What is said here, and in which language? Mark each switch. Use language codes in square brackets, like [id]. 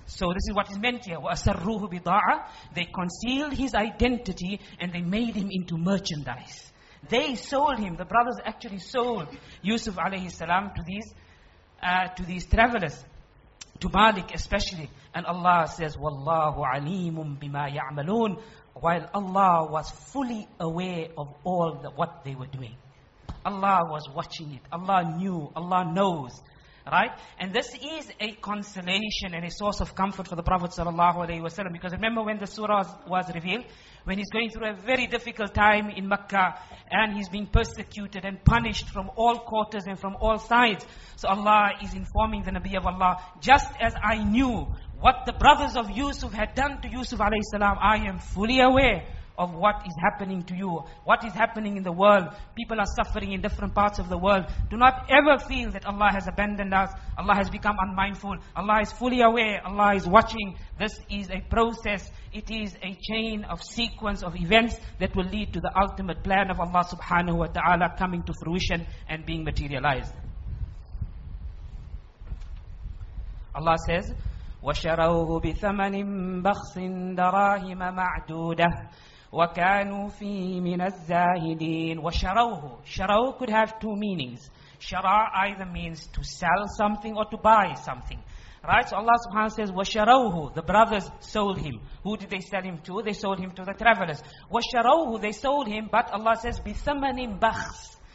[en] So this is what is meant here. [ar] وَأَسَرُّهُ بِضَاعَةٍ. [en] They concealed his identity and they made him into merchandise. They sold him. The brothers actually sold Yusuf alayhi salam to these travelers, to Malik especially. [ar] And Allah says, وَاللَّهُ عَلِيمٌ بِمَا يَعْمَلُونَ. [en] While Allah was fully aware of all what they were doing. Allah was watching it. Allah knew. Allah knows. Right? And this is a consolation and a source of comfort for the Prophet sallallahu alaihi wasallam. Because remember when the surah was revealed, when he's going through a very difficult time in Makkah and he's being persecuted and punished from all quarters and from all sides. So Allah is informing the Nabi of Allah, just as I knew what the brothers of Yusuf had done to Yusuf alayhi salam, I am fully aware of what is happening to you, what is happening in the world. People are suffering in different parts of the world. Do not ever feel that Allah has abandoned us, Allah has become unmindful. Allah is fully aware, Allah is watching. This is a process, it is a chain of sequence of events that will lead to the ultimate plan of Allah subhanahu wa ta'ala coming to fruition and being materialized. [ar] Allah says, وَشَرَوْهُ بِثَمَنٍ بَخْسٍ دَرَاهِمَ مَعْدُودَةٍ وَكَانُوا فِيهِ مِنَ الزَّاهِدِينَ. [en] وَشَرَوْهُ, شَرَوْ could have two meanings. Shara either means to sell something or to buy something. Right? So Allah subhanahu wa ta'ala says, وَشَرَوْهُ, the brothers sold him. Who did they sell him to? They sold him to the travelers. وَشَرَوْهُ, they sold him, but Allah says, بِثَمَنٍ بَخْسٍ.